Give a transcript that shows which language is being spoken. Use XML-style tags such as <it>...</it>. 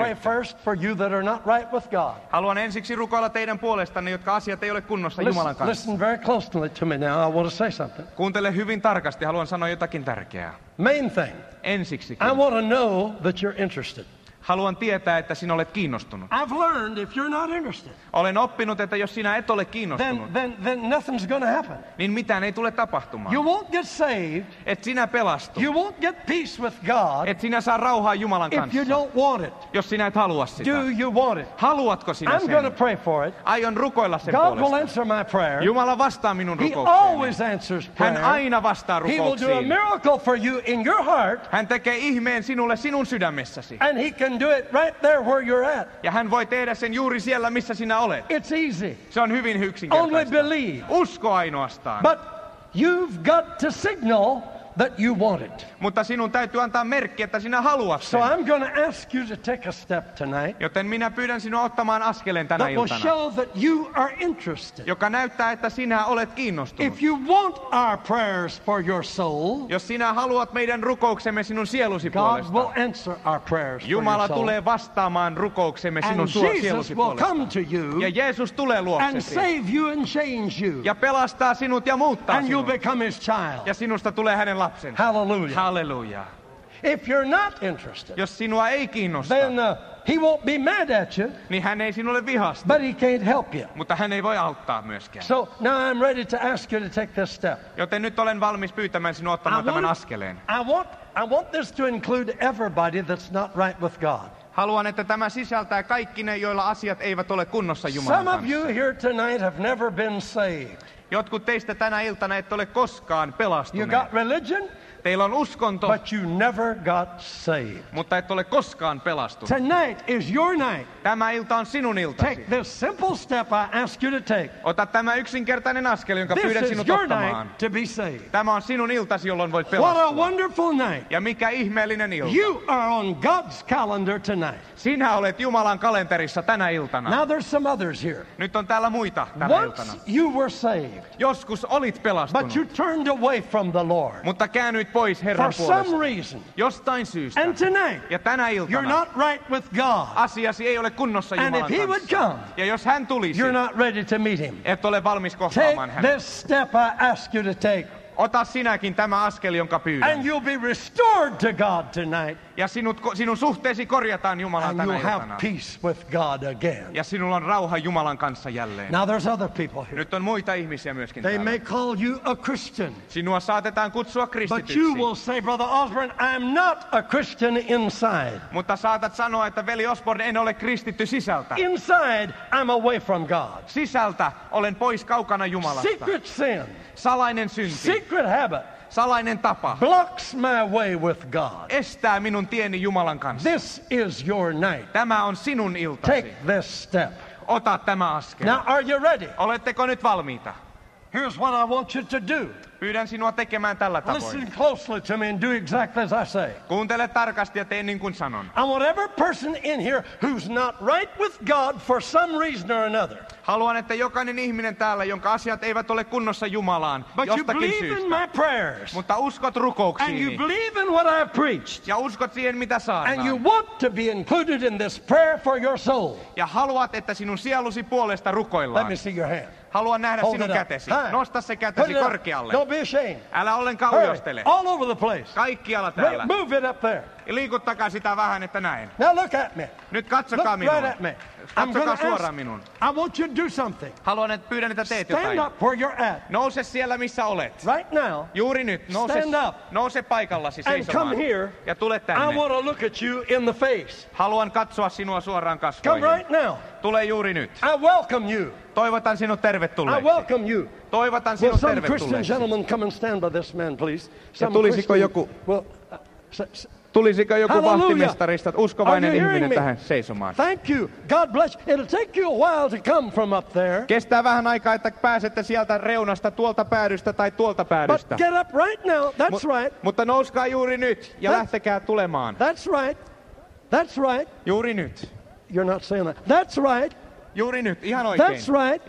<en>I want to pray first for you that are not right with God.</en> <fi>Haluan ensiksi rukoilla teidän puolestanne, jotka asiat ei ole kunnossa Jumalan kanssa.</fi> <en>Listen very closely to me now. I want to say something.</en> <fi>Kuuntele hyvin tarkasti. Haluan sanoa jotakin tärkeää.</fi> <en>Main thing.</en> <fi>Ensiksi.</fi> <en>I want to know that you're interested.</en> <fi>Haluan tietää, että sinä olet kiinnostunut.</fi> <en>I've learned if you're not interested.</en> <fi>Olen oppinut, että jos sinä et ole kiinnostunut.</fi> <en>Then nothing's going to happen.</en> <fi>Niin mitään ei tule tapahtumaan.</fi> <en>You won't get saved.</en> <fi>Et sinä pelastu.</fi> <en>You won't get peace with God.</en> <fi>Et sinä saa rauhaa Jumalan kanssa.</fi> <en>If you don't want it.</en> <fi>Jos sinä et halua sitä.</fi> <en>Do you want it?</en> <fi>Haluatko sinä sen?</fi> <en>I'm going to pray for it.</en> <fi>Aion rukoilla sen</fi> <en>God</en> <fi>puolesta.</fi> <en>Will answer my prayer.</en> <fi>Jumala vastaa minun rukoukseeni.</fi> <en>He always answers prayer.</en> <fi>Hän aina vastaa rukouksiin.</fi> <en>He will do a miracle for you in your heart.</en> <fi>Hän tekee ihmeen sinulle sinun sydämessäsi.</fi> <en>And he can do it right there where you're at.</en> <fi>Ja hän voi tehdä sen juuri siellä, missä sinä olet.</fi> <en>It's easy.</en> <fi>Se on hyvin yksinkertaista.</fi> <en>Only believe.</en> <fi>Usko ainoastaan.</fi> <en>But you've got to signal that you want it.</en> <fi>Mutta sinun täytyy antaa merkki, että sinä haluat sen.</fi> <en>So I'm going to ask you to take a step tonight.</en> <fi>Joten minä pyydän sinua ottamaan askeleen tänä iltana.</fi> <en>That will show that you are interested.</en> <fi>Joka näyttää, että sinä olet kiinnostunut.</fi> <en>If you want our prayers for your soul.</en> <fi>Jos sinä haluat meidän rukouksemme sinun sielusi puolesta.</fi> <en>God will answer our prayers for your soul.</en> <fi>Jumala tulee vastaamaan rukouksemme sinun sielusi puolesta.</fi> <en>And Jesus will come to you.</en> <fi>Ja Jeesus tulee luoksesi.</fi> <en>And save you and change you.</en> <fi>Ja pelastaa sinut ja muuttaa sinut.</fi> <en>And you become his child.</en> <fi>Ja sinusta tulee hänen lapsensa.</fi> <en>Hallelujah.</en> <fi>Hallelujah.</fi> <en>If you're not interested,</en> <fi>jos sinua ei kiinnosta,</fi> <en>then he won't be mad at you.</en> <fi>Niin hän ei sinulle vihasta.</fi> <en>But he can't help you.</en> <fi>Mutta hän ei voi auttaa myöskään.</fi> <en>So now I'm ready to ask you to take this step.</en> <fi>Joten nyt olen valmis pyytämään sinua ottamaan tämän askeleen.</fi> <en>I want this to include everybody that's not right with God.</en> <fi>Haluan, että tämä sisältää kaikki ne, joilla asiat eivät ole kunnossa Jumalan kanssa.</fi> <en>Some of you here tonight have never been saved.</en> <fi>Jotkut teistä tänä iltana ette ole koskaan pelastuneet.</fi> <en>You got religion,</en> <fi>teillä on uskonto,</fi> <en>but you never got saved.</en> <fi>Mutta ette ole koskaan pelastuneet.</fi> <en>Tonight is your night.</en> <fi>Tämä ilta on sinun iltasi.</fi> <en>Take this simple step I ask you to take.</en> <fi>Ota tämä yksinkertainen askel, jonka</fi> <en>this</en> <fi>pyydän sinut</fi> <en>is your</en> <fi>ottamaan.</fi> <en>Night to be saved.</en> <fi>Tämä on sinun iltasi, jolloin voit pelastua.</fi> <en>What a wonderful night.</en> <fi>Ja mikä ihmeellinen ilta.</fi> <en>You are on God's calendar tonight.</en> <fi>Sinä olet Jumalan kalenterissa tänä iltana.</fi> <en>Now there's some others here.</en> <fi>Nyt on täällä muita tänä</fi> <en>Once</en> <fi>iltana.</fi> <en>You were saved.</en> <fi>Joskus olit pelastunut.</fi> <en>But you turned away from the Lord.</en> <fi>Mutta käännyit pois Herran puolesta.</fi> <en>For some reason.</en> <fi>Jostain syystä.</fi> <en>And tonight.</en> <fi>Ja tänä iltana.</fi> <en>You're not right with God.</en> <fi>Asiasi ei ole kunnossa Jumalan kanssa.</fi> <en>And if he would come.</en> <fi>Ja jos hän tulisi.</fi> <en>You're not ready to meet him.</en> <fi>Et ole valmis kohtaamaan hänet.</fi> <en>Take this step I ask you to take.</en> <fi>Ota sinäkin tämä askel, jonka pyydän.</fi> <en>And you'll be restored to God tonight.</en> <fi>Ja sinun suhteesi korjataan Jumalaa tänä iltana.</fi> <en>Have peace with God again.</en> <fi>Ja sinulla on rauha Jumalan kanssa jälleen.</fi> <en>Now there's other people here.</en> <fi>Nyt on muita ihmisiä myöskin</fi> <en>they</en> <fi>täällä.</fi> <en>May call you a Christian.</en> <fi>Sinua saatetaan kutsua kristityksi.</fi> <en>But you will say, Brother Osborne, I'm not a Christian inside.</en> <fi>Mutta saatat sanoa, että veli Osborne, en ole kristitty sisältä.</fi> <en>Inside, I'm away from God.</en> <fi>Sisältä olen pois kaukana Jumalasta.</fi> <en>Secret sin.</en> <fi>Salainen synti.</fi> <en>Secret habit.</en> <fi>Salainen tapa.</fi> <en>Blocks my way with God.</en> <fi>Estää minun tieni Jumalan kanssa.</fi> <en>This is your night.</en> <fi>Tämä on sinun iltasi.</fi> <en>Take this step.</en> <fi>Ota tämä askel.</fi> <en>Now are you ready?</en> <fi>Oletteko nyt valmiita?</fi> <en>Here's what I want you to do.</en> <fi>Pyydän sinua tekemään tällä tavoin.</fi> <en>Listen closely to me and do exactly as I say.</en> <fi>Kuuntele tarkasti ja tee niin kuin sanon.</fi> <en>I want every person in here who's not right with God for some reason or another.</en> <fi>Haluan, että jokainen ihminen täällä, jonka asiat eivät ole kunnossa Jumalaan,</fi> <en>but</en> <fi>jostakin syystä.</fi> <en>In my prayers,</en> <fi>mutta uskot rukouksiini.</fi> <en>And you believe in what I've preached,</en> <fi>ja uskot siihen, mitä saarnaan.</fi> <en>And you want to be included in this prayer for your soul.</en> <fi>Ja haluat, että sinun sielusi puolesta rukoillaan.</fi> <en>Let me see your hand.</en> <fi>Haluan nähdä</fi> <en>hold</en> <fi>sinun kätesi.</fi> <en>Hey.</en> <fi>Nosta se kätesi korkealle.</fi> <en>Don't be ashamed.</en> <fi>Älä ollenkaan ujostele.</fi> <en>All over the place.</en> <fi>Kaikkialla täällä.</fi> <en>Move it up there.</en> <fi>Liikuttakaa sitä vähän, että näin.</fi> <en>Now look at me.</en> <fi>Nyt katsokaa</fi> <en>look</en> <fi>minua.</fi> <en>Right at me.</en> <fi>Katsokaa suoraan minun.</fi> <en>I want you to do something.</en> <fi>Haluan, että pyydän, että teet</fi> <en>stand</en> <fi>jotain.</fi> <en>Stand up where you're at.</en> <fi>Nouse siellä, missä olet.</fi> <en>Right now.</en> <fi>Juuri nyt. Nouse,</fi> <en>stand up.</en> <fi>Nouse paikallasi seisomaan.</fi> <en>And come here.</en> <fi>Ja tule tänne.</fi> <en>I want to look at you in the face.</en> <fi>Haluan katsoa sinua suoraan kasvoihin.</fi> <en>Come right now.</en> <fi>Tule juuri nyt.</fi> <en>I welcome you.</en> <fi>Toivotan sinut tervetulleeksi.</fi> <en>I welcome you.</en> <fi>Toivotan sinut tervetulleeksi.</fi> <en>Will some Christian gentleman come and stand by this man, please? Some</en> <fi>tulisiko joku?</fi> <en>Well,</en> <fi>tulisiko joku vahtimestarista, uskovainen ihminen tähän seisomaan?</fi> <en>Thank you. God bless you. It'll take you a while to come from up there.</en> <fi>Kestää vähän aikaa, että pääsette sieltä reunasta, tuolta päädystä tai tuolta päädystä.</fi> <en>But get up right now. That's right.</en> <fi>Mutta nouskaa juuri nyt ja lähtekää tulemaan.</fi> <en>That's right. That's right.</en> <fi>Juuri nyt.</fi> <en>You're not saying that. That's right.</en> <fi>Juuri nyt. Ihan oikein.</fi> <en>That's right.</en>